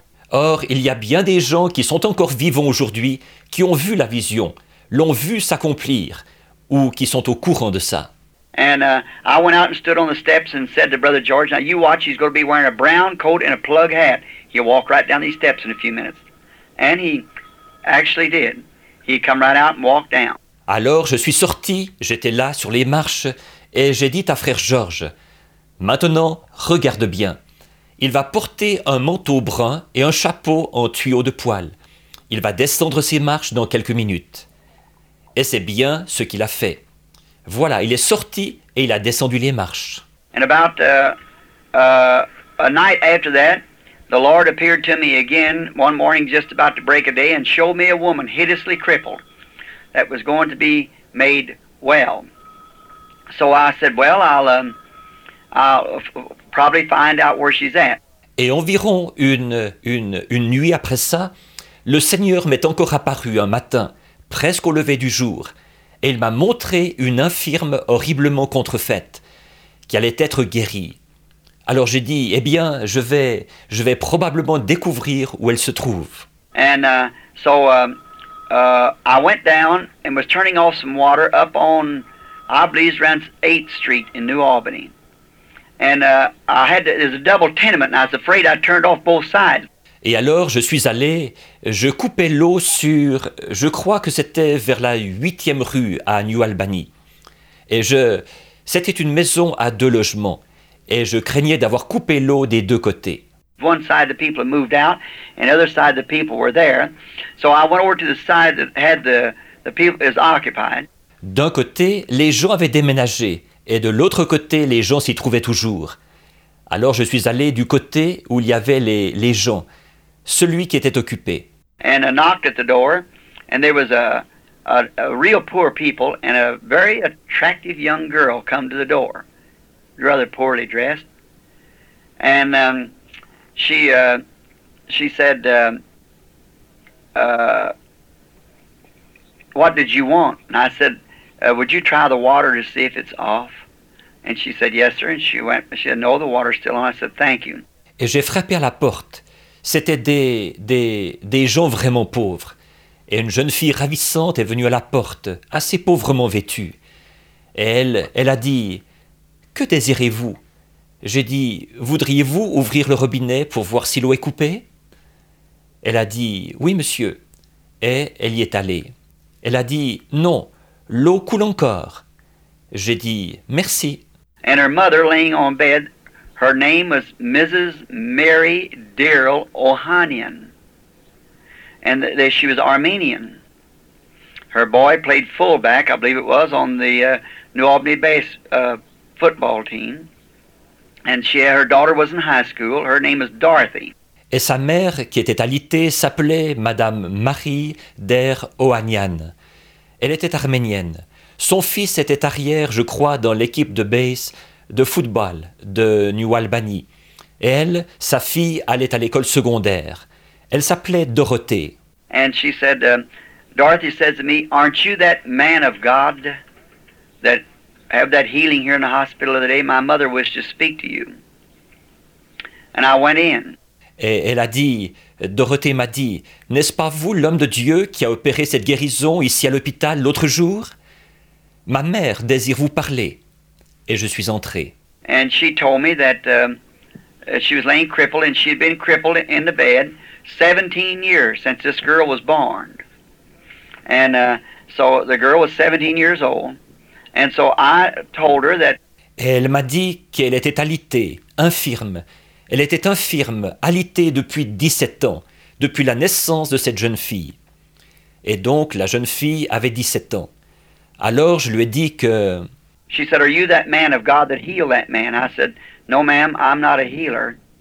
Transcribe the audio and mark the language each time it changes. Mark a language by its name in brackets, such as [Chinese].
[French] Or, il y a bien des gens qui sont encore vivants aujourd'hui, qui ont vu la vision, l'ont vu s'accomplir, ou qui sont au courant de ça. [English] And I went out and stood on the steps and said to Brother George, "Now you watch, he's going to be wearing a brown coat and a plug hat. He'll walk right down these steps in a few minutes." And he actually did. He came right out and walked down. [French] Alors je suis sorti, j'étais là sur les marches, et j'ai dit à Frère George, maintenant, regarde bien. Il va porter un manteau brun et un chapeau en tuyau de poêle. Il va descendre ses marches dans quelques minutes. Et c'est bien ce qu'il a fait. Voilà, il est sorti et il a descendu les marches. [English] And about a night after that, the Lord appeared to me again one morning just about the break of day and showed me a woman hideously crippled that was going to be made well. So I said, well, I'll probably find out where she's at. [French] Et environ une nuit après ça, le Seigneur m'est encore apparu un matin, presque au lever du jour, et il m'a montré une infirme horriblement contrefaite, qui allait être guérie. Alors j'ai dit, eh bien, je vais probablement découvrir où elle se trouve. [English] And I went down and was turning off some water up on, I believe, around 8th Street in New Albany. And there's a double tenement, and I was afraid I turned off both sides. [French] Et alors je suis allé, je coupais l'eau sur, je crois que c'était vers la 8e rue à New Albany. Et c'était une maison à deux logements, et je craignais d'avoir coupé l'eau des deux côtés. [English] One side the people had moved out, and the other side the people were there. So I went over to the side that had the people is occupied. [French] D'un côté, les gens avaient déménagé. Et de l'autre côté, les gens s'y trouvaient toujours. Alors je suis allé du côté où il y avait les gens, celui qui était occupé. [English] And I knocked at the door, and there was a real poor people and a very attractive young girl come to the door, rather poorly dressed. And she said, "What did you want?" And I said, "Would you try the water to see if it's off?" And she said, "Yes, sir." And she went, she said, "No, the water's still on." I said, "Thank you." [French] Et j'ai frappé à la porte. C'était des gens vraiment pauvres. Et une jeune fille ravissante est venue à la porte, assez pauvrement vêtue. Et elle a dit, « Que désirez-vous ?» J'ai dit, « Voudriez-vous ouvrir le robinet pour voir si l'eau est coupée ?» Elle a dit, « Oui, monsieur. » Et elle y est allée. Elle a dit, « Non, l'eau coule encore. » J'ai dit, « Merci. » [English] And her mother laying on bed, her name was Mrs. Mary Daryl Ohanian. And she was Armenian. Her boy played fullback, I believe it was, on the New Albany base football team. And she, her daughter was in high school. Her name is Dorothy. [French] Et sa mère, qui était alitée, s'appelait Madame Marie Der Ohanian. Elle était arménienne. Son fils était arrière, je crois, dans l'équipe de base de football de New Albany. Et elle, sa fille, allait à l'école secondaire. Elle s'appelait Dorothée. [English] And she said, Dorothy said to me, aren't you that man of God that have that healing here in the hospital the day my mother wished to speak to you? And I went in. [French] Et elle a dit, Dorothée m'a dit, n'est-ce pas vous l'homme de Dieu qui a opéré cette guérison ici à l'hôpital l'autre jour? Ma mère désire vous parler. Et je suis entré. [English] And she told me that she was laying crippled and she had been crippled in the bed 17 years since this girl was born. And so the girl was 17 years old. And so I told her that. [French] Et elle m'a dit qu'elle était alitée, infirme. Elle était infirme, alitée depuis 17 ans, depuis la naissance de cette jeune fille. Et donc, la jeune fille avait 17 ans. Alors, je lui ai dit que... [English] She said, are you that man of God that healed that man? I said, no, ma'am, I'm not a healer.